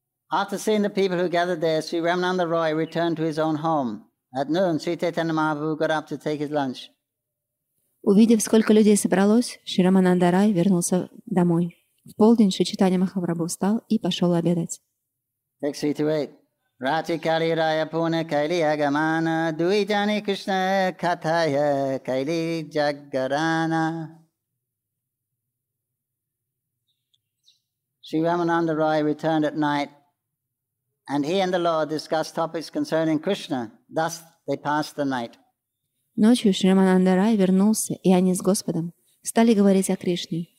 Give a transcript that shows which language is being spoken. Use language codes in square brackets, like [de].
[en] After seeing the people who gathered there, Sri Ramananda Roy returned to his own home. At noon, Sri Chaitanya Mahaprabhu got up to take his lunch. [ru] Увидев, сколько людей собралось, Шри Рамананда Рай вернулся домой. В полдень Шри Чайтанья Махапрабху встал и пошел обедать. [en] Sri Ramananda Roy returned at night, and he and the Lord discussed topics concerning Krishna. Thus, they passed the night. [ru] Ночью Шри Рамананда Рай вернулся, и они с Господом стали говорить о Кришне.